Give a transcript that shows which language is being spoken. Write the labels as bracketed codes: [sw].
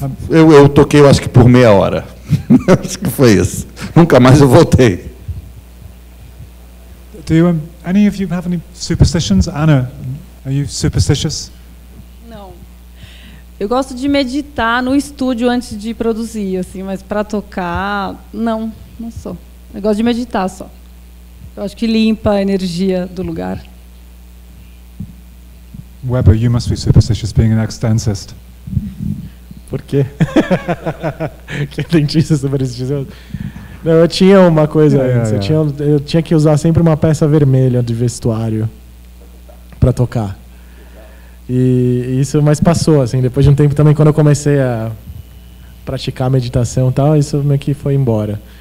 [pt] Eu toquei, eu acho que por meia hora. Acho que foi isso. Nunca mais eu voltei. [en] Do you, any of you have any superstitions? Anna, are you superstitious? [pt] Não. Eu gosto de meditar no estúdio antes de produzir, assim, mas para tocar, não, não sou. Eu gosto de meditar só. Eu acho que limpa a energia do lugar. [en] Weber, you must be superstitious being an ex-dentist. [pt] Por quê? Que dentista supersticioso. Não, eu tinha uma coisa antes. Eu tinha que usar sempre uma peça vermelha de vestuário para tocar. E isso, mas passou, assim, depois de um tempo também, quando eu comecei a praticar meditação e tal, isso meio que foi embora.